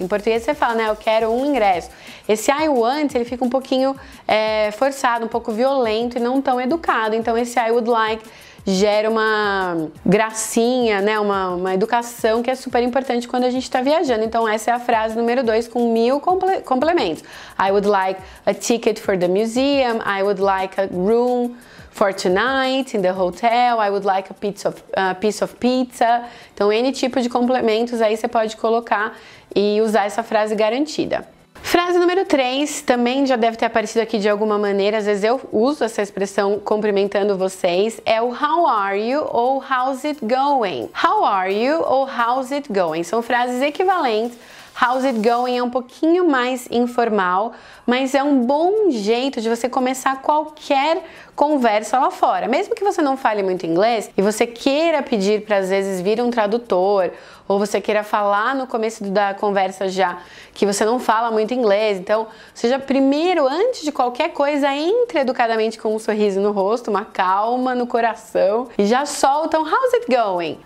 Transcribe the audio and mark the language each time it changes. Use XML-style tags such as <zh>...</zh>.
<pt>Em português você fala, né, eu quero um ingresso. Esse</pt> <en>I want,</en> <pt>ele fica um pouquinho forçado, um pouco violento e não tão educado. Então esse</pt> <en>I would like</en> <pt>gera uma gracinha, né, uma educação que é super importante quando a gente está viajando. Então essa é a frase número 2 com 1000 complementos.</pt> <en>I would like a ticket for the museum, I would like a room for tonight in the hotel, I would like a piece of pizza.</en> <pt>Então N tipo de complementos aí você pode colocar e usar essa frase garantida. Frase número 3, também já deve ter aparecido aqui de alguma maneira, às vezes eu uso essa expressão cumprimentando vocês, é o</pt> <en>how are you ou how's it going? How are you ou how's it going?</en> <pt>São frases equivalentes.</pt> <en>How's it going</en> <pt>é um pouquinho mais informal, mas é um bom jeito de você começar qualquer conversa lá fora. Mesmo que você não fale muito inglês e você queira pedir para às vezes vir um tradutor, ou você queira falar no começo da conversa já que você não fala muito inglês, então seja primeiro, antes de qualquer coisa, entre educadamente com um sorriso no rosto, uma calma no coração e já solta um</pt> <en>how's it going?</en>